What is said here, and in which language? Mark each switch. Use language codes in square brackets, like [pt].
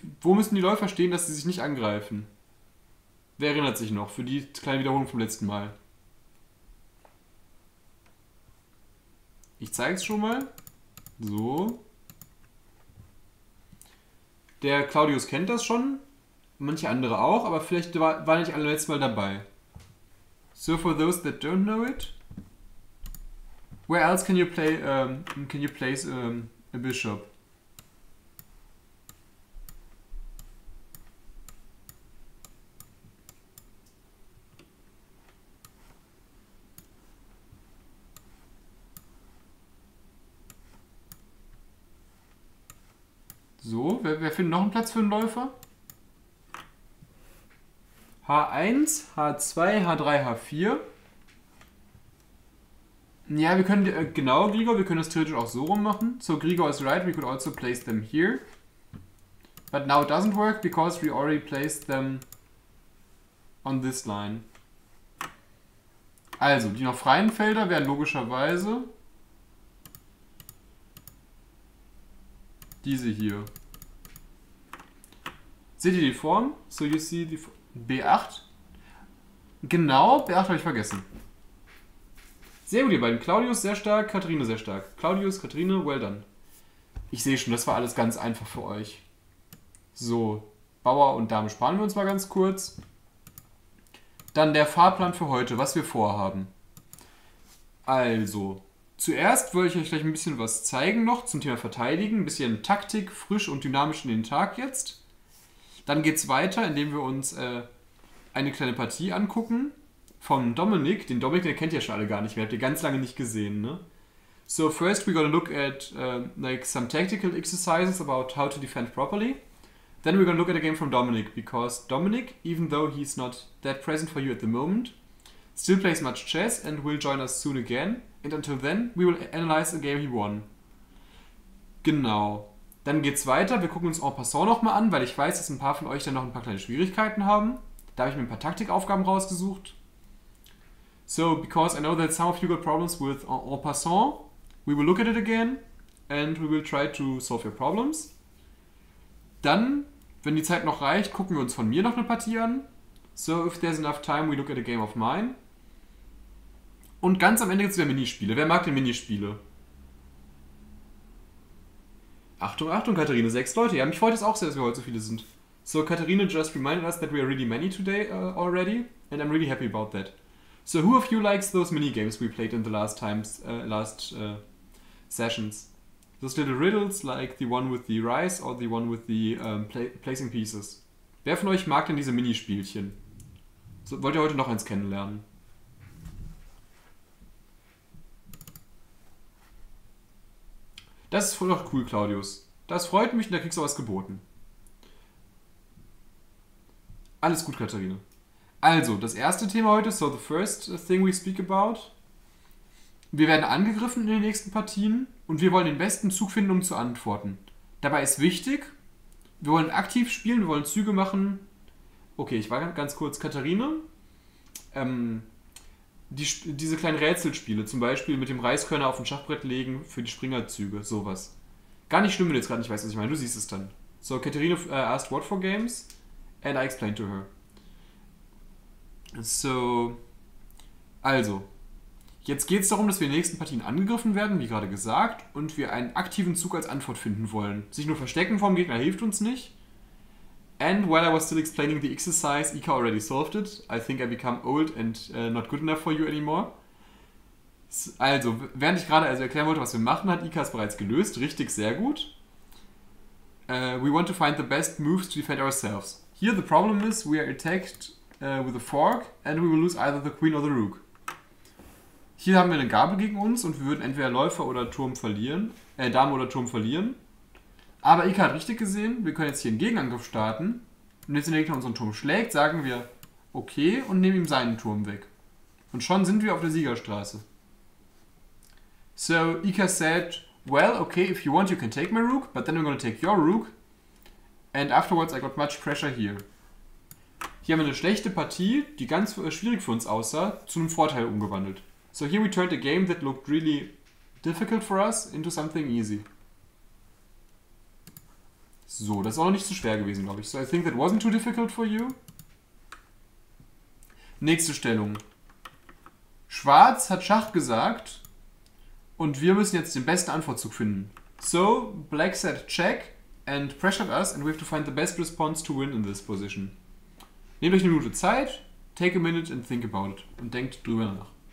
[de] Wo müssen die Läufer stehen, dass sie sich nicht angreifen? Wer erinnert sich noch für die kleine Wiederholung vom letzten Mal? Ich zeige es schon mal. So. Der Claudius kennt das schon. Manche andere auch, aber vielleicht war nicht alle letztes Mal dabei. [en] So, for those that don't know it, where else can you play, can you place a bishop? [de] So, wer findet noch einen Platz für einen Läufer? H1, H2, H3, H4. Ja, wir können, genau, Grigor, wir können das theoretisch auch so rum machen. [en] So, Grigor is right, we could also place them here. But now it doesn't work, because we already placed them on this line. [de] Also, die noch freien Felder wären logischerweise diese hier. Seht ihr die Form? [en] So, you see the B8. [de] Genau, B8 habe ich vergessen. Sehr gut, ihr beiden. Claudius sehr stark, Katharine sehr stark. Claudius, Katharine, [en] well done. [de] Ich sehe schon, das war alles ganz einfach für euch. So, Bauer und Dame sparen wir uns mal ganz kurz. Dann der Fahrplan für heute, was wir vorhaben. Also, zuerst würde ich euch gleich ein bisschen was zeigen noch zum Thema Verteidigen. Ein bisschen Taktik, frisch und dynamisch in den Tag jetzt. Dann geht's weiter, indem wir uns eine kleine Partie angucken von Dominik. Den Dominik, den kennt ihr schon alle gar nicht mehr. Habt ihr ganz lange nicht gesehen, ne? [en] So, first we're gonna look at like some tactical exercises about how to defend properly. Then we're gonna look at a game from Dominic, because Dominic, even though he's not that present for you at the moment, still plays much chess and will join us soon again. And until then, we will analyze a game he won. [de] Genau. Dann geht's weiter. Wir gucken uns en passant nochmal an, weil ich weiß, dass ein paar von euch dann noch ein paar kleine Schwierigkeiten haben. Da habe ich mir ein paar Taktikaufgaben rausgesucht. [en] So, because I know that some of you got problems with en passant, we will look at it again and we will try to solve your problems. [de] Dann, wenn die Zeit noch reicht, gucken wir uns von mir noch eine Partie an. [en] So, if there's enough time, we look at a game of mine. [de] Und ganz am Ende gibt es wieder Minispiele. Wer mag denn Minispiele? Achtung, Achtung, Katharina, 6 Leute. Ja, mich freut es auch sehr, dass wir heute so viele sind. [en] So, Katharina just reminded us that we are really many today already, and I'm really happy about that. So, who of you likes those minigames we played in the last times, sessions? Those little riddles, like the one with the rice or the one with the placing pieces. [de] Wer von euch mag denn diese Minispielchen? So, wollt ihr heute noch eins kennenlernen? Das ist voll doch cool, Claudius. Das freut mich und da kriegst du was geboten. Alles gut, Katharina. Also, das erste Thema heute, [en] so the first thing we speak about. [de] Wir werden angegriffen in den nächsten Partien und wir wollen den besten Zug finden, um zu antworten. Dabei ist wichtig, wir wollen aktiv spielen, wir wollen Züge machen. Okay, ich war ganz kurz, Katharina. Diese kleinen Rätselspiele, zum Beispiel mit dem Reiskörner auf ein Schachbrett legen für die Springerzüge, sowas. Gar nicht schlimm, wenn du jetzt gerade nicht weißt, was ich meine, du siehst es dann. [en] So, Katharina asked what for games and I explained to her. [de] So, also, jetzt geht es darum, dass wir in den nächsten Partien angegriffen werden, wie gerade gesagt, und wir einen aktiven Zug als Antwort finden wollen. Sich nur verstecken vor dem Gegner hilft uns nicht. [en] And while I was still explaining the exercise, Ika already solved it. I think I become old and not good enough for you anymore. [de] Also, während ich gerade also erklären wollte, was wir machen, hat Ika es bereits gelöst. Richtig, sehr gut. [en] We want to find the best moves to defend ourselves. Here the problem is, we are attacked with a fork and we will lose either the queen or the rook. [de] Hier haben wir eine Gabel gegen uns und wir würden entweder Läufer oder Turm verlieren, Dame oder Turm verlieren. Aber Ika hat richtig gesehen, wir können jetzt hier einen Gegenangriff starten. Und jetzt, wenn der Gegner unseren Turm schlägt, sagen wir okay und nehmen ihm seinen Turm weg. Und schon sind wir auf der Siegerstraße. [en] So, Ika said, well, okay, if you want, you can take my rook, but then I'm gonna take your rook. And afterwards I got much pressure here. [de] Hier haben wir eine schlechte Partie, die ganz schwierig für uns aussah, zu einem Vorteil umgewandelt. [en] So here we turned a game that looked really difficult for us into something easy. [de] So, das ist auch noch nicht so schwer gewesen, glaube ich. [en] So, I think that wasn't too difficult for you. [de] Nächste Stellung. Schwarz hat Schach gesagt und wir müssen jetzt den besten Antwortzug finden. [en] So, Black said check and pressured us and we have to find the best response to win in this position. [de] Nehmt euch eine Minute Zeit, [en] take a minute and think about it [de] und denkt drüber nach.